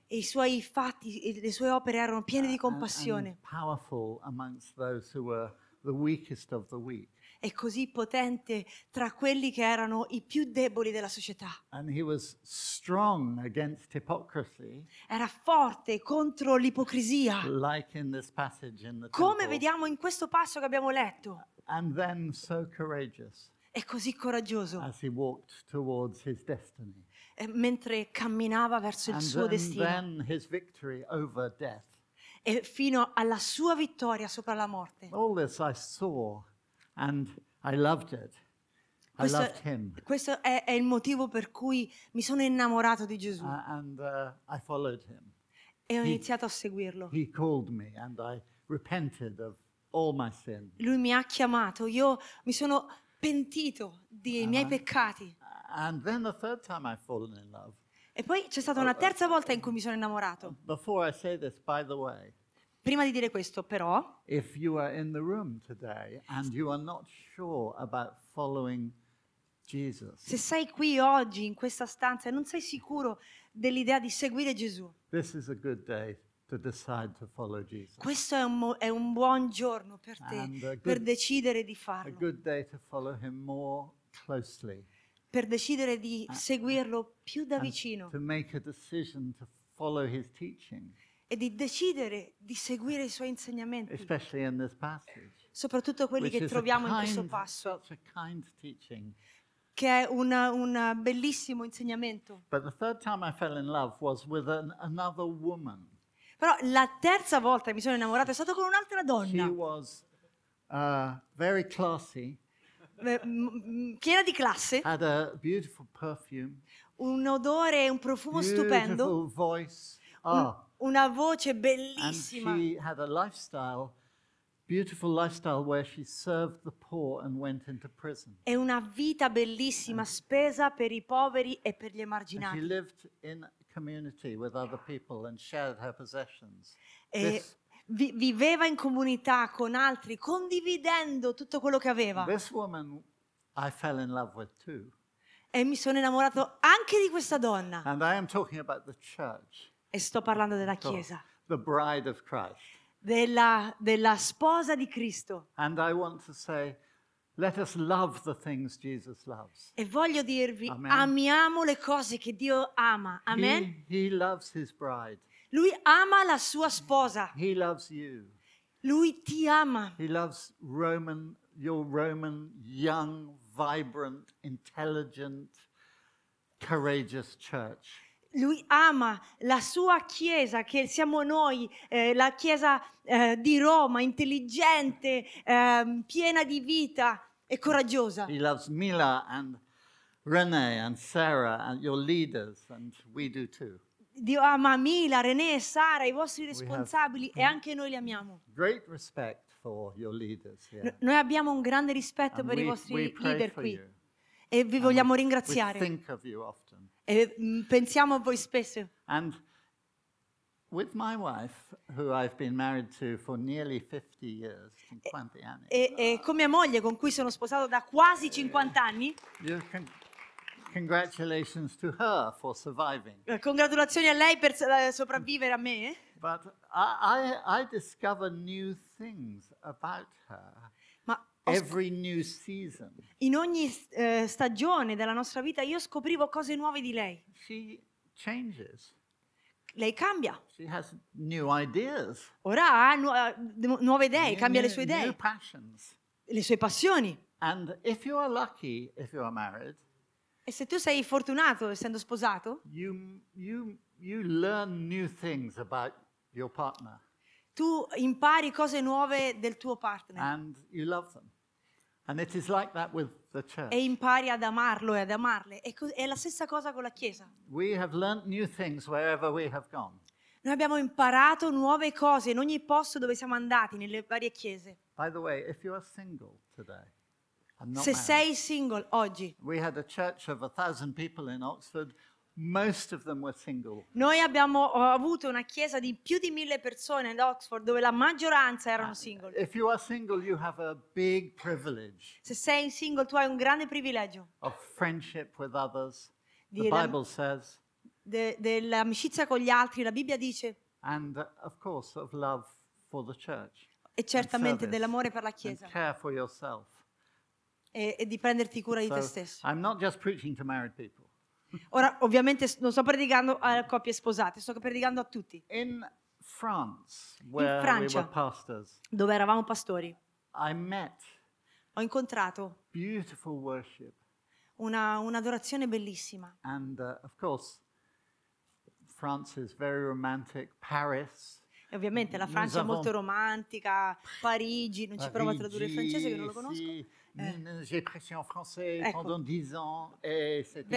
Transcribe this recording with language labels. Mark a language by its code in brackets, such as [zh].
[it] E i suoi fatti, le sue opere erano piene di compassione. [en] And powerful amongst those who were the weakest of the weak. [it] E così potente tra quelli che erano i più deboli della società. [en] And he was strong against hypocrisy. [it] Era forte contro l'ipocrisia. [en] Like in this passage in the temple. [it] Come vediamo in questo passo che abbiamo letto. [en] And then so courageous. [it] E così coraggioso. [en] As he walked towards his destiny. [it] E mentre camminava verso il suo destino. [en] And then his victory over death. [it] E fino alla sua vittoria sopra la morte. [en] All this I saw. And I loved it. I loved him. [it] Questo è il motivo per cui mi sono innamorato di Gesù. [en] I followed him. [it] E ho iniziato a seguirlo. [en] He called me and I repented of all my sin. [it] Lui mi ha chiamato, io mi sono pentito dei miei peccati. [en] And then the third time I've fallen in love. [it] E poi c'è stata una terza volta in cui mi sono innamorato. [en] Before I say this, by the way, [it] prima di dire questo, però, [en] if you are in the room today and you are not sure about following Jesus, [it] se sei qui oggi in questa stanza e non sei sicuro dell'idea di seguire Gesù, [en] this is a good day to decide to follow Jesus. [it] Questo è un buon giorno per te per decidere di farlo. [en] A good day to follow him more closely. [it] Per decidere di seguirlo più da vicino. [en] To make a decision to follow his teaching. [it] E di decidere di seguire i suoi insegnamenti. [en] Especially in this passage, [it] soprattutto quelli che troviamo in questo passo. [en] Such a kind teaching. [it] Che è un bellissimo insegnamento. [en] But the third time I fell in love was with another woman. [it] Però la terza volta mi sono innamorata è stato con un'altra donna. [en] She was very classy. [it] Piena di classe. [en] Had a beautiful perfume. [it] Un odore e un profumo stupendo. [en] Beautiful voice. [it] Una voce bellissima. [en] And she had a lifestyle, beautiful lifestyle, where she served the poor and went into prison. [it] È una vita bellissima, spesa per i poveri e per gli emarginati. [en] And she lived in community with other people and shared her possessions. [it] E viveva in comunità con altri, condividendo tutto quello che aveva. [en] This woman I fell in love with too. [it] E mi sono innamorato anche di questa donna. [en] And I am talking about the church. [it] E sto parlando della Chiesa. [en] The bride of Christ. [it] Della sposa di Cristo. [en] And I want to say, let us love the things Jesus loves. [it] E voglio dirvi, amen. Amiamo le cose che Dio ama. Amen. [en] He loves his bride. [it] Lui ama la sua sposa. [en] He loves you. [it] Lui ti ama. [en] He loves Roman, your Roman, young, vibrant, intelligent, courageous church. [it] Lui ama la sua chiesa, che siamo noi, la chiesa di Roma, intelligente, piena di vita e coraggiosa. [en] He loves Mila and René and Sarah and your leaders, and we do too. [it] Dio ama Mila, René, Sara, i vostri responsabili, e anche noi li amiamo. [en] Great respect for your leaders here. [it] Noi abbiamo un grande rispetto [en] and [it] per i vostri leader qui. E vi [en] and [it] vogliamo [en] we, [it] ringraziare. [en] We think of you often. [it] E pensiamo a voi spesso. [en] And with my wife, who I've been married to for nearly 50 years, [it] 50 anni. E con mia moglie, con cui sono sposato da quasi 50 anni. [en] Congratulations to her for surviving. [it] Congratulazioni a lei per sopravvivere a me. [en] But I discover new things about her. Every new season. [it] In ogni stagione della nostra vita io scoprivo cose nuove di lei. [en] She changes. [it] Lei cambia. [en] She has new ideas. [it] Ora ha nuove idee, cambia le sue idee. [en] New passions. [it] Le sue passioni. [en] And if you are lucky, if you are married. [it] E se tu sei fortunato essendo sposato? [en] You learn new things about your partner. [it] Tu impari cose nuove del tuo partner. [en] And you love them. And it is like that with the church. [it] E impari ad amarlo e ad amarle. È la stessa cosa con la Chiesa. [en] We have learned new things wherever we have gone. [it] Noi abbiamo imparato nuove cose in ogni posto dove siamo andati, nelle varie chiese. [en] By the way, if you are single today, I'm not [it] se [en] married. [it] Sei single oggi. [en] We had a church of 1,000 people in Oxford. Most of them were single. [it] Noi abbiamo avuto una chiesa di più di 1,000 persone ad Oxford dove la maggioranza erano single. [en] If you are single, you have a big privilege. [it] Se sei single, tu hai un grande privilegio. [en] Of friendship with others. The Bible says. [it] Dell'amicizia con gli altri, la Bibbia dice. [en] And of course of love for the church. [it] E certamente dell'amore per la chiesa. [en] And care for yourself. [it] E di prenderti cura di te stesso. [en] I'm not just preaching to married people. [it] Ora, ovviamente, non sto predicando a coppie sposate, sto predicando a tutti. [en] In France, where [it] in Francia, [en] we were pastors, [it] dove eravamo pastori, [en] I met [it] ho incontrato [en] beautiful worship, [it] un'adorazione bellissima. [en] And of course, France is very romantic. Paris. [it] E ovviamente la Francia è molto romantica. Parigi, non Parigi, ci provo a tradurre il francese che non lo conosco. Sì. [fr] J'ai prêché en français pendant 10 ans et c'était